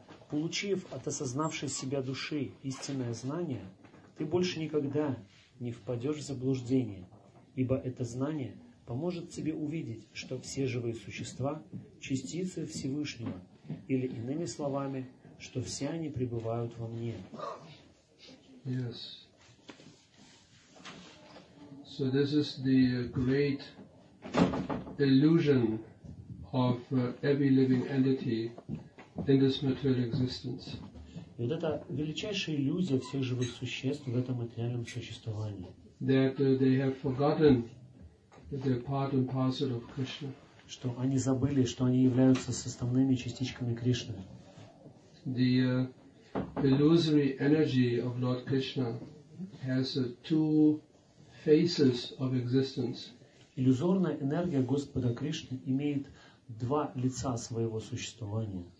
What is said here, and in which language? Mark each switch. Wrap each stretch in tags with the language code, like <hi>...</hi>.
<ru>Получив от осознавшей себя души истинное знание, ты больше никогда не впадешь в заблуждение, ибо это знание поможет тебе увидеть, что все живые существа – частицы Всевышнего, или иными словами, что все они пребывают во мне.</ru> <en>Yes. So this is the great illusion of every living entity in this material existence.</en> <ru>И вот это величайшая иллюзия всех живых существ в этом материальном существовании.</ru> <en>That they have forgotten that they're part and parcel of Krishna.</en> <ru>Что они забыли, что они являются составными частичками Кришны.</ru> <en>The illusory energy of Lord Krishna has two faces of existence.</en> <ru>Иллюзорная энергия Господа Кришны имеет два лица своего существования.</ru>